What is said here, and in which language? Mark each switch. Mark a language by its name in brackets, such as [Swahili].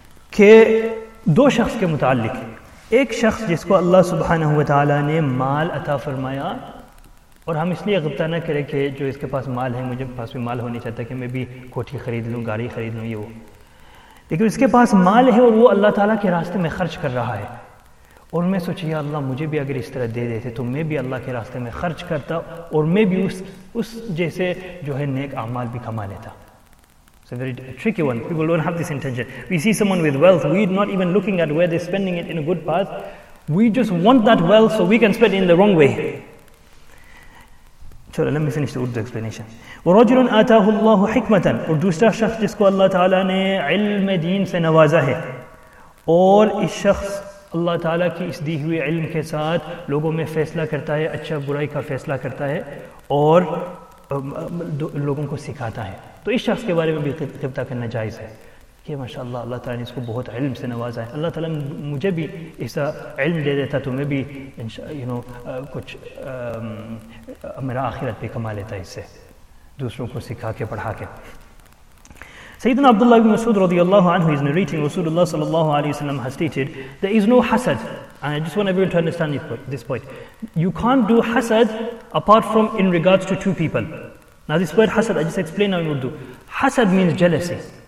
[Urdu] کہ دو شخص کے متعلق, ایک شخص جس کو اللہ سبحانہ و تعالیٰ نے مال عطا فرمایا, اور ہم اس لیے غبتہ نہ کریں کہ جو اس کے پاس مال ہے مجھے پاس بھی مال ہونی چاہتا کہ میں بھی کوٹھی خرید لوں, گاڑی خرید لوں, یہ وہ, لیکن اس کے پاس مال ہے اور وہ اللہ تعالیٰ کے راستے میں خرچ کر رہا ہے, اور میں سوچیا اللہ مجھے بھی اگر اس طرح دے دیتے تو میں بھی اللہ کے راستے میں خرچ کرتا اور میں بھی اس جیسے جو ہے نیک اعمال بھی کما لیتا. [English] It's a very tricky one. People don't have this intention. We see someone with wealth, we're not even looking at where they're spending it in a good path. We just want that wealth so we can spend it in the wrong way. Sure, let me finish the Urdu explanation. [Arabic] وَرَجُلٌ آتَاهُ اللَّهُ حِكْمَةً, [Urdu] اور دوسرا شخص جس کو اللہ تعالیٰ نے علم دین سے نوازا ہے, اور اس شخص اللہ تعالیٰ کی اس دی ہوئے علم کے ساتھ لوگوں میں فیصلہ کرتا ہے, اچھا برائی کا فیصلہ کرتا ہے اور لوگوں کو سکھاتا ہے. تو اس شخص کے بارے میں بھی قبطہ کرنا جائز ہے کہ ماشاء اللہ اللہ تعالیٰ نے اس کو بہت علم سے نوازا ہے, اللہ تعالیٰ مجھے بھی ایسا علم دے دیتا تو میں بھی میرا آخرت بھی کما لیتا اس سے دوسروں کو سکھا کے پڑھا کے. [English] Sayyidina Abdullah ibn Masud radiyallahu anhu is narrating Rasulullah sallallahu alayhi wa sallam has stated, there is no hasad. And I just want everyone to understand this point. You can't do hasad apart from in regards to two people. Now this word hasad, I just explain how in Urdu. Hasad means jealousy.